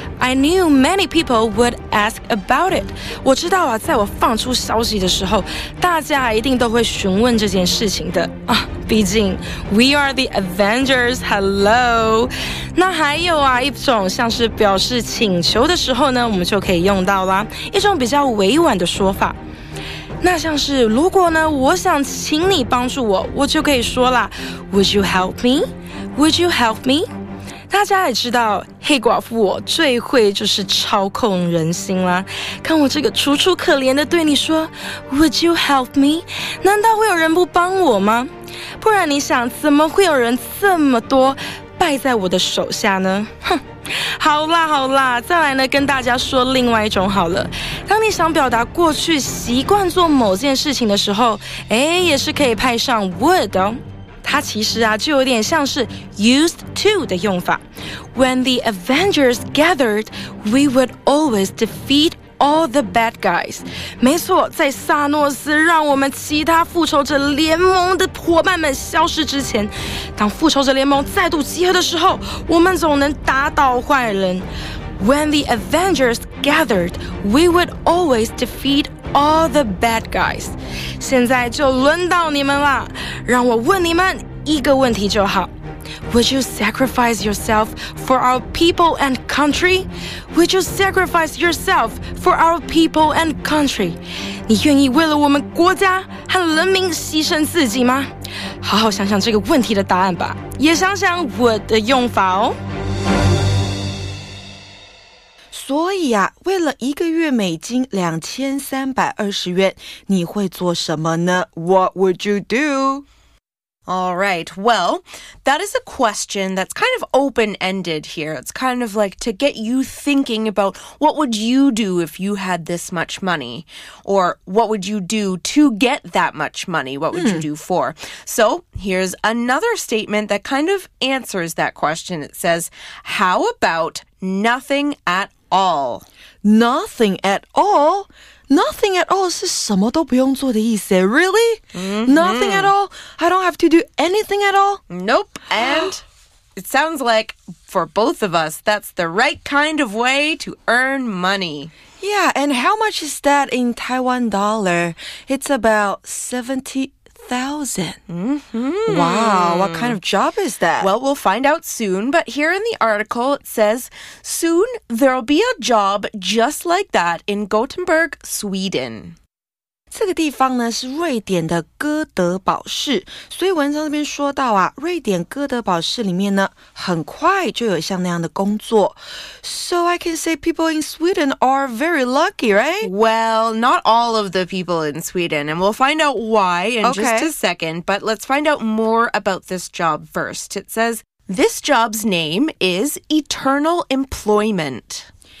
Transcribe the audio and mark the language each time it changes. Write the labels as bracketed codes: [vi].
[en] I knew many people would ask about it. [zh] 我知道啊，在我放出消息的时候，大家一定都会询问这件事情的啊。毕竟 [en] we are the Avengers. Hello. [zh] 那还有啊，一种像是表示请求的时候呢，我们就可以用到啦，一种比较委婉的说法。那像是如果呢我想请你帮助我，我就可以说啦 [en] Would you help me? [zh] Would you help me? 大家也知道黑寡妇我最会就是操控人心啦，看我这个楚楚可怜的对你说 [en] Would you help me? [zh] 难道会有人不帮我吗？不然你想怎么会有人这么多败在我的手下呢？哼，好啦好啦，再来呢跟大家说另外一种好了。当你想表达过去习惯做某件事情的时候，诶，也是可以派上 would 哦。它其实啊就有点像是 used to 的用法。 [en] When the Avengers gathered, we would always defeat all the bad guys. [zh] 没错，在萨诺斯让我们其他复仇者联盟的伙伴们消失之前，当复仇者联盟再度集合的时候，我们总能打倒坏人。 [en] When the Avengers gathered, we would always defeat all the bad guys. [zh] 现在就轮到你们了，让我问你们一个问题就好。 [en] Would you sacrifice yourself for our people and country? Would you sacrifice yourself for our people and country? [zh] 你愿意为了我们国家和人民牺牲自己吗？好好想想这个问题的答案吧，也想想 would 的用法哦。所以啊，为了一个月美金2320元，你会做什么呢？ [en] What would you do? All right, well, that is a question that's kind of open-ended here. It's kind of like to get you thinking about what would you do if you had this much money? Or what would you do to get that much money? What would you do for? So here's another statement that kind of answers that question. It says, how about nothing at all? Nothing at all? Nothing at all [zh] 是什么都不用做的意思 [en] Really?、 Mm-hmm. Nothing at all? I don't have to do anything at all? Nope. And it sounds like, for both of us, that's the right kind of way to earn money. Yeah, and how much is that in Taiwan dollar? It's about 70,000. Mm-hmm. Wow, what kind of job is that? Well, we'll find out soon, but here in the article it says, soon there'll be a job just like that in Gothenburg, Sweden. [zh] 这个地方呢是瑞典的哥德堡市，所以文章这边说到啊，瑞典哥德堡市里面呢很快就有像那样的工作。 [en] So I can say people in Sweden are very lucky, right? Well, not all of the people in Sweden, and we'll find out why in just a second, but let's find out more about this job first. It says, this job's name is Eternal Employment.